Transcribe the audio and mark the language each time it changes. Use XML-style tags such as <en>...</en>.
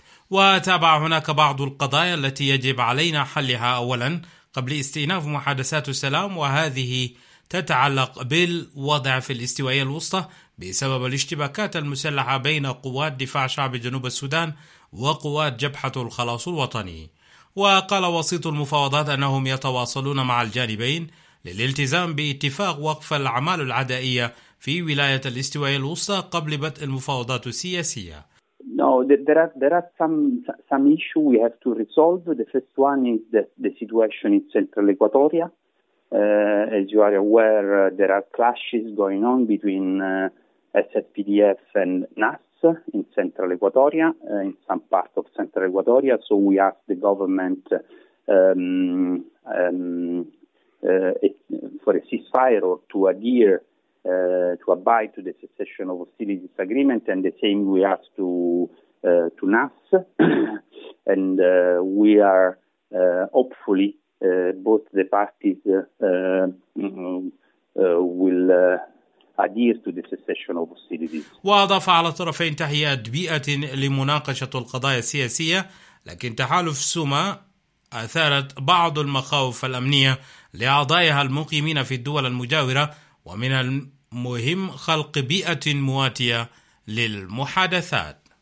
<ar>وتابع: هناك بعض القضايا التي يجب علينا حلها أولا قبل استئناف محادثات السلام، وهذه تتعلق بالوضع في الاستوائية الوسطى بسبب الاشتباكات المسلحة بين قوات دفاع شعب جنوب السودان وقوات جبهة الخلاص الوطني. وقال وسيط المفاوضات أنهم يتواصلون مع الجانبين للالتزام باتفاق وقف الأعمال العدائية في ولاية الاستوائية الوسطى قبل بدء المفاوضات السياسية.</ar> <en>There are some issues we have to resolve. The first one is the situation in central Equatoria. As you are aware, there are clashes going on between SFPDF and NAS in central Equatoria, in some part of central Equatoria. So we ask the government for a ceasefire or to adhere to abide to the cessation of hostilities agreement, and the same we ask to NAS, and we are hopefully both the parties will adhere to the cessation of hostilities.</en> <ar>وأضاف على طرفين تحيات بيئة لمناقشة القضايا السياسية، لكن تحالف سوما أثارت بعض المخاوف الأمنية لأعضائها المقيمين في الدول المجاورة، ومن المهم خلق بيئة مواتية للمحادثات.</ar>